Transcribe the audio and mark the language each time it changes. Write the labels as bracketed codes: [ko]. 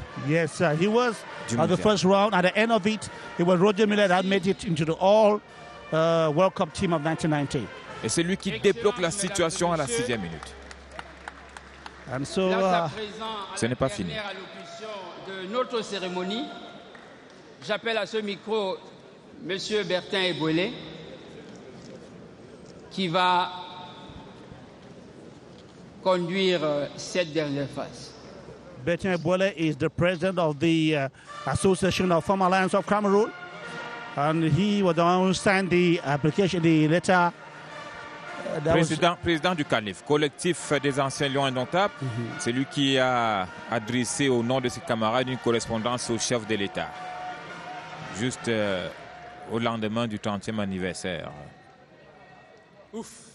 [en] Yes, sir. He was at the first round. At the end of it, it was Roger Miller that made it into the All World Cup team of 1990. [fr] Et c'est lui qui débloque la situation à la sixième minute. [en] And so, [fr] ce n'est pas fini. La dernière allocution de notre cérémonie. J'appelle à ce micro Monsieur Bertin Ebouélé, qui va conduire cette dernière phase. [en] Bertin Ebouélé is the president of the Association of Farm Alliance of Cameroon, and he was the one who signed the application, the letter. [fr] Président du CANIF, collectif des anciens lions indomptables, c'est lui qui a adressé au nom de ses camarades une correspondance au chef de l'État, juste au lendemain du 30e anniversaire. Ouf.